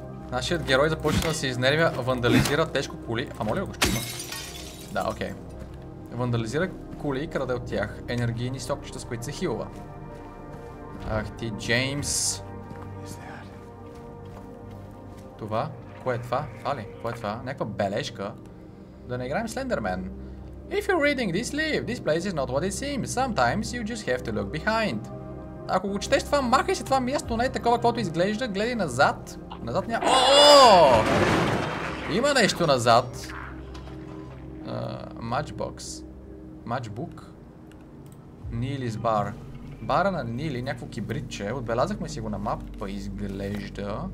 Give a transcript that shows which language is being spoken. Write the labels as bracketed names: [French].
[Bulgarian] Нашият герой започна да се изнервя, вандализира тежко коли. А моля го ще има? Да, окей. Вандализира коли и краде от тях енергийни стокчета, с които се хилва. Ах ти, Джеймс. Това? Кое е това? Това ли? Кое е това? Някаква бележка? Да не играем Slenderman. [English] If you're reading this leaf, this place is not what it seems. Sometimes you just have to look behind. [Bulgarian] Ако го четеш това, махай се това място, не е такова, каквото изглежда. Гледай назад. Назад няма... Има нещо назад. [English] Matchbox. Matchbook. Neely's bar. [Bulgarian] Бара на Нили, някакво кибритче. Отбелязахме си го на мапа, изглежда.